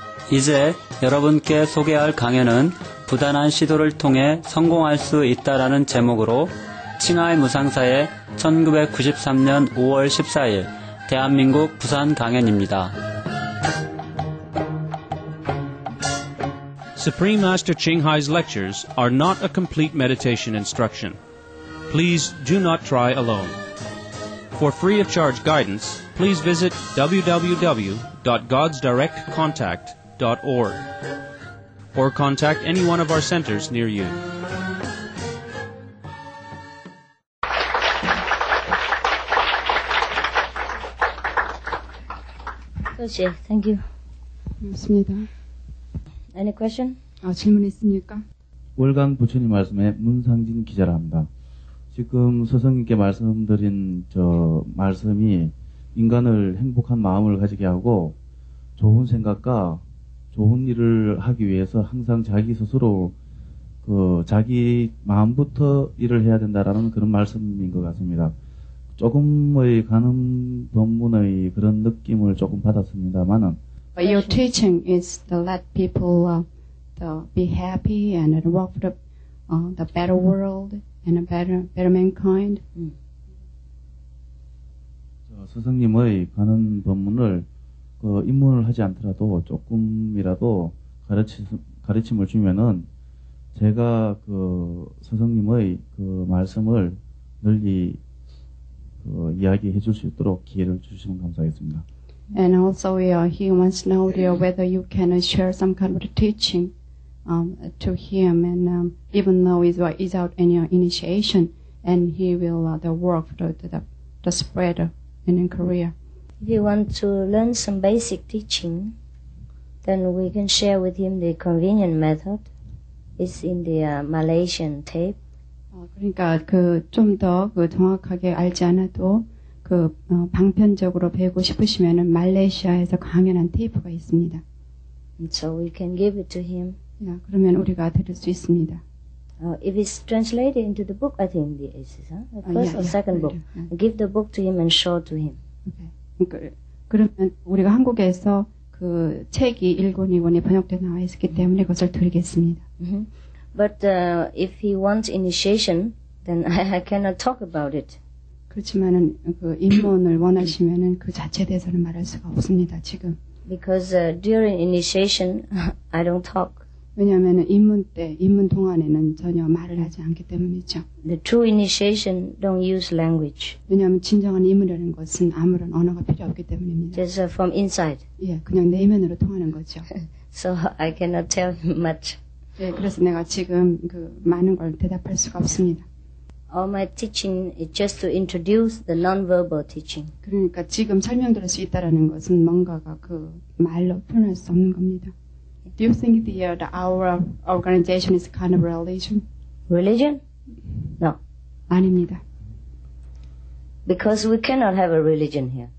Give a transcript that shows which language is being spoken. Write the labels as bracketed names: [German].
[Korean] 이제 여러분께 소개할 강연은 부단한 시도를 통해 성공할 수 있다라는 제목으로 칭하이 무상사의 1993년 5월 14일 대한민국 부산 강연입니다. [English] Supreme Master Qinghai's lectures are not a complete meditation instruction. Please do not try alone. For free of charge guidance, please visit www.godsdirectcontact.org or contact any one of our centers near you. Thank you. [Korean] 고맙습니다. [English] Any question? [Korean] 아, 질문 있습니까? 월간 부처님 말씀에 문상진 기자라 합니다. 지금 스승님께 말씀드린 저 말씀이 인간을 행복한 마음을 가지게 하고 좋은 생각과 좋은 일을 하기 위해서 항상 자기 스스로 그 자기 마음부터 일을 해야 된다라는 그런 말씀인 것 같습니다. 조금의 가는 법문의 그런 느낌을 조금 받았습니다만은. [English] But your teaching is to let people to be happy and to work for the better world and a better mankind. [Korean] 저 스승님의 가는 법문을 그 입문을 하지 않더라도 조금이라도 가르침을 주면은 제가 그 스승님의 그 말씀을 널리 이야기해 줄 수 있도록 기회를 주시면 감사하겠습니다. [English] And also, he wants to know dear, whether you can share some kind of teaching to him. And even though he's without any initiation, and he will the work the spread in Korea. If you want to learn some basic teaching, then we can share with him the convenient method. It's in the Malaysian tape. [Korean] 그러니까 그 좀 더 그 정확하게 알지 않아도 그 방편적으로 배우고 싶으시면은 말레이시아에서 강연한 테이프가 있습니다. [English] So we can give it to him. [Korean] 야, 그러면 우리가 들을 수 있습니다. [English] If it's translated into the book, I think it is. Huh? First or second book. Give the book to him and show to him. [Korean] Okay. 그러면 우리가 한국에서 그 책이 1권, 2권이 번역돼 나와 있기 때문에 그것을 드리겠습니다. [English] But if he wants initiation, then I cannot talk about it. [Korean] 그렇지만은 그 입문을 원하시면은 그 자체에 대해서는 말할 수가 없습니다. 지금. [English] Because during initiation, I don't talk. [Korean] 왜냐하면은 입문 때, 입문 동안에는 전혀 말을 하지 않기 때문이죠. [English] The true initiation don't use language. [Korean] 왜냐하면 진정한 입문이라는 것은 아무런 언어가 필요 없기 때문입니다. [English] Just from inside. [Korean] 예, 그냥 내면으로 통하는 거죠. [English] So I cannot tell him much. [Korean] 네, 그래서 내가 지금 그 많은 걸 대답할 수가 없습니다. [English] All my teaching is just to introduce the non-verbal teaching. [Korean] 그러니까 지금 설명드릴 수 있다라는 것은 뭔가가 그 말로 표현할 수 없는 겁니다. [English] Do you think the our organization is kind of religion? Religion? No. [Korean] 아닙니다. [English] Because we cannot have a religion here.